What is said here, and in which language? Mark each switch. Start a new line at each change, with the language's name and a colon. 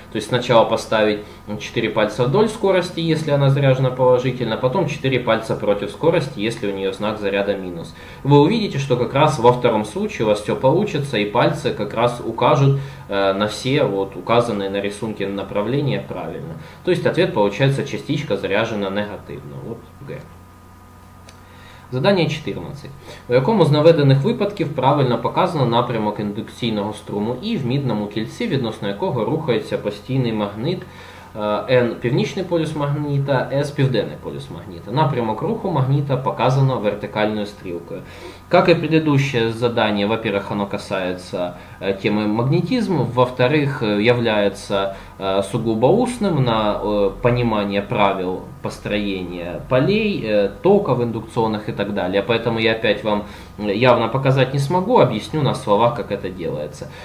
Russian: То есть, сначала поставить 4 пальца вдоль скорости, если она заряжена положительно, потом 4 пальца против скорости, если у нее знак заряда минус. Вы увидите, что как раз во втором случае у вас все получится, и пальцы как раз укажут на все вот указанные на рисунке направления правильно. То есть ответ получается частичка заряжена негативно. Вот Г. Задание 14.
Ukrainian: У якому з наведених випадків правильно показано напрямок індукційного струму І в мідному кільці, відносно якого рухається постійний магнит N – північний полюс магніта, S – південний полюс магніта. Напрямок руху магніта показано вертикальною стрілкою.
Russian: Как и предыдущее задание, во-первых, оно касается темы магнетизма, во-вторых, является сугубо устным на понимание правил построения полей, токов индукционных и так далее. Поэтому я опять вам явно показать не смогу, объясню на словах, как это делается.